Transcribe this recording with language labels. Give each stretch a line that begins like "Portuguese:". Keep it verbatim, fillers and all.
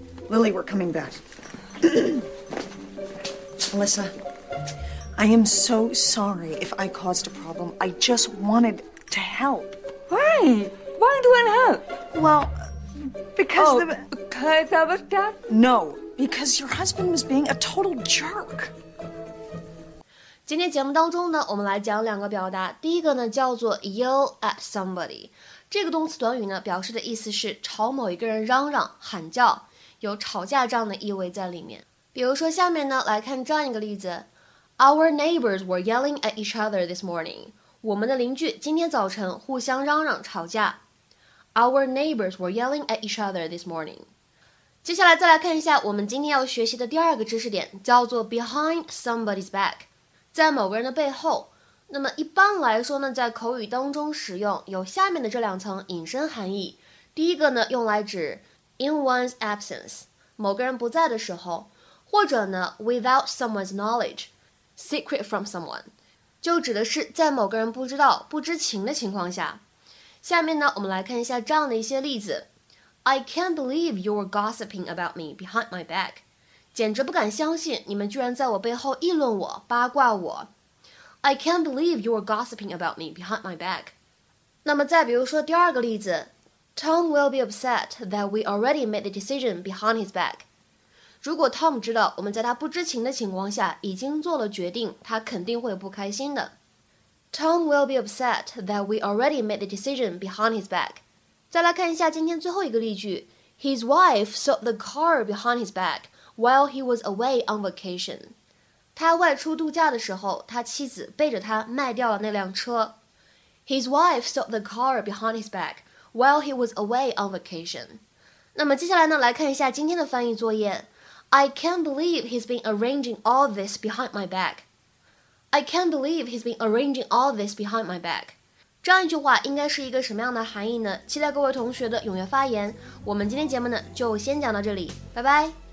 English: Lily, we're coming back. Alyssa, I am so sorry if I caused a problem. I just wanted to help. Why? Why do I help? Well, because oh, the... because I was deaf? No, because your husband was being a total jerk.
Chinese: 今天节目当中呢，我们来讲两个表达。第一个呢叫做
English: yell at somebody，
Chinese: 这个动词短语呢表示的意思是朝某一个人嚷嚷、喊叫，有吵架这样的意味在里面。比如说下面呢来看这样一个例子
English: ：Our neighbors were yelling at each other this morning。
Chinese: 我们的邻居今天早晨互相嚷嚷吵架。
English: Our neighbors were yelling at each other this morning。
Chinese: 接下来再来看一下我们今天要学习的第二个知识点，叫做
English: behind somebody's back。
Chinese: 在某个人的背后，那么一般来说呢，在口语当中使用有下面的这两层引申含义。第一个呢，用来指
English: in one's absence，
Chinese: 某个人不在的时候，或者呢
English: without someone's knowledge， secret from someone，
Chinese: 就指的是在某个人不知道、不知情的情况下。下面呢，我们来看一下这样的一些例子
English: ：I can't believe you were gossiping about me behind my back。
Chinese: 简直不敢相信你们居然在我背后议论我、八卦我。
English: I can't believe you were gossiping about me behind my back。
Chinese: 那么再比如说第二个例子
English: Tom will be upset that we already made the decision behind his back。
Chinese: 如果 Tom 知道我们在他不知情的情况下已经做了决定，他肯定会不开心的。
English: Tom will be upset that we already made the decision behind his back.
Chinese: 再来看一下今天最后一个例句
English: ：His wife sold the car behind his back while he was away on vacation.
Chinese: 他外出度假的时候，他妻子背着他卖掉了那辆车。
English: His wife sold the car behind his back while he was away on vacation.
Chinese: 那么接下来呢，来看一下今天的翻译作业。
English: I can't believe he's been arranging all this behind my back. I can't believe he's been arranging all this behind my back.
Chinese: 这样一句话应该是一个什么样的含义呢？期待各位同学的踊跃发言。我们今天节目呢就先讲到这里，拜拜。